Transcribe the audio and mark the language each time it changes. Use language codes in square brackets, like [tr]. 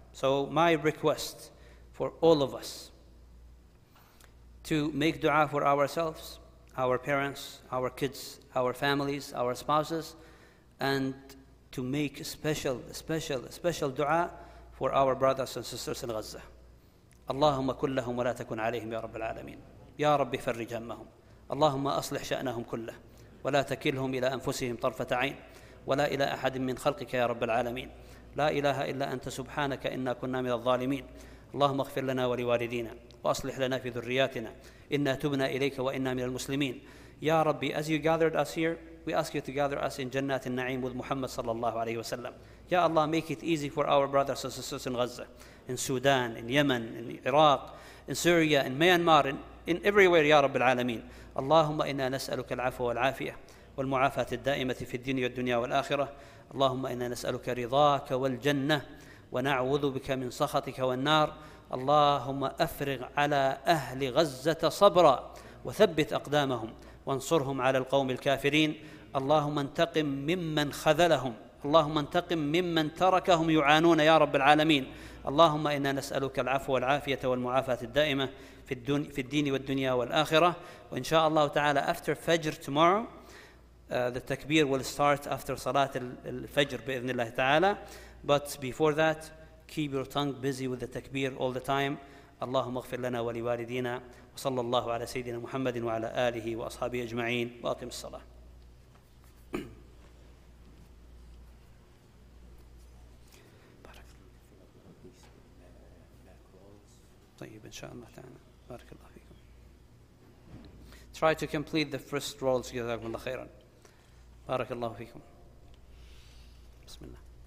[en] So my request for all of us to make du'a for ourselves, our parents, our kids, our families, our spouses, and to make special du'a for our brothers and sisters in Gaza. [ar] اللهم كلهم ولا تكن عليهم يا رب العالمين يا رب فرج همهم اللهم أصلح شأنهم كله ولا تكلهم إلى أنفسهم طرفة عين ولا إلى أحد من خلقك يا رب العالمين لا إله إلا أنت سبحانك إنا كنا من الظالمين اللهم اغفر لنا ولوالدينا وأصلح لنا في ذرياتنا إنا تبنا إليك وإنا من المسلمين يا ربي. [en] As you gathered us here, we ask you to gather us in [ar] جنات النعيم [en] with Muhammad صلى الله عليه وسلم. يا الله, make it easy for our brothers and sisters in Gaza, in Sudan, in Yemen, in Iraq, in Syria, in Myanmar, in everywhere, ya Rabbil Alameen. [ar] Allahumma inna nas'aluka al-afwa wal-afiyah wal-mu'afat al-da'imati fi al-dini wal-dunya wal-akhirah. Allahumma inna nas'aluka ridaaka wal-jannah wa na'udhu bika min sakhatika wal-nar. Allahumma afrigh ala ahli Gazzata sabra wa thabbit aqdamahum wa ansurhum ala al-qawm al-kafirin. Allahumma antaqim mimman khadalahum. اللهم انتقم ممن تركهم يعانون يا رب العالمين. اللهم إنا نسألك العفو والعافية والمعافاة الدائمة في الدين والدنيا والآخرة. وإن شاء الله تعالى, after فجر tomorrow, [en] the takbir will start after [ar] صلاة الفجر بإذن الله تعالى. [en] But before that, keep your tongue busy with the takbir all the time. [ar] اللهم اغفر لنا ولوالدينا, وصلى الله على سيدنا محمد وعلى آله وأصحابه أجمعين, وأقم الصلاة. طيب إن شاء الله تعالى, بارك الله فيكم. [en] try to complete the first roll [ar] جزاكم الله خيرا بارك الله فيكم بسم الله